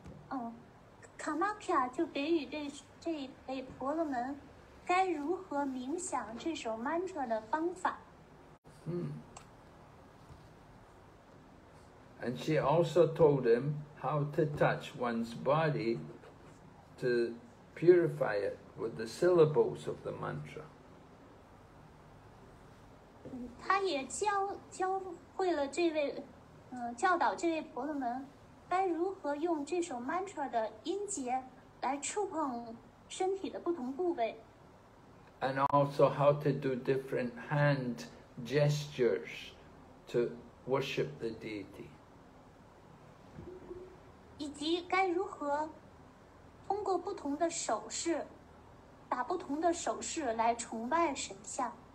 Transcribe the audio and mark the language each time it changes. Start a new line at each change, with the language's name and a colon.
Chinese: Oh, Kamakya 就给予这位婆罗门该如何冥想这首 mantra 的方法。
English: And she also told him how to touch one's body to purify it with the syllables of the mantra.
Chinese: 他也教会了这位，教导这位婆罗门该如何用这首 mantra 的音节来触碰身体的不同部位。
English: And also how to do different hand gestures to worship the deity.
Chinese: 以及该如何通过不同的手势，打不同的手势来崇拜神像。